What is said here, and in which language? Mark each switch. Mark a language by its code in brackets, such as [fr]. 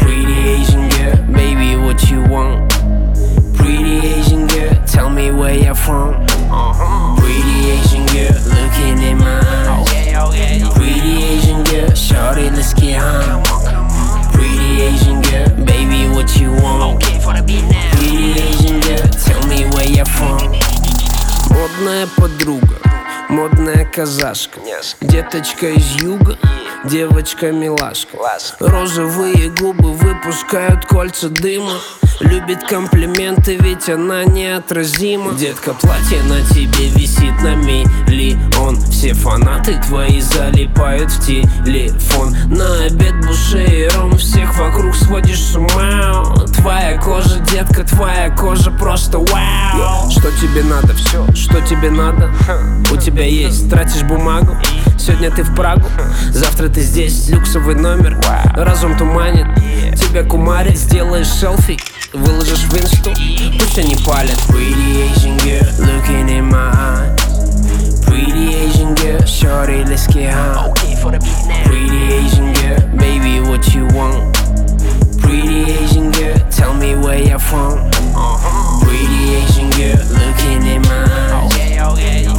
[en] Pretty Asian girl, baby, what you want? Pretty Asian girl, tell me where you're from. Pretty Asian girl looking in my eyes. Pretty Asian girl, shorty, let's get high. Pretty Asian girl, baby, what you want? Okay for the beat now. Pretty Asian girl, tell me where you're from. [ru] Модная подруга, модная казашка, деточка из юга, девочка-милашка. Розовые губы выпускают кольца дыма. Любит комплименты, ведь она неотразима. Детка, платье на тебе висит на миллион. Все фанаты твои залипают в телефон. На обед буширом, всех вокруг сводишь с ума. Твоя кожа, детка, твоя кожа просто вау. Что тебе надо, все, что тебе надо? У тебя есть, тратишь бумагу? Сегодня ты в Прагу, завтра ты здесь. Люксовый номер, разум туманит. Тебя кумарит, сделаешь селфи, выложишь в инсту, пусть они палят. [en] Pretty Asian girl, looking in my eyes. Pretty Asian girl, shorty, let's get high. Okay for the beat now. Pretty Asian girl, baby, what you want? Pretty Asian girl, tell me where you're from. Pretty Asian girl, looking in my eyes.